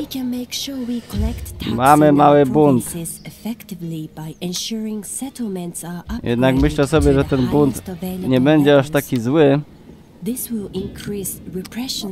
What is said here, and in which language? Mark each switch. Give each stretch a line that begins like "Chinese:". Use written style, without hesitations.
English: We can make sure we collect taxes effectively by ensuring settlements are upgraded.
Polish: Jednak myślę sobie, że ten bunt nie będzie aż taki zły.
English: This will increase repression.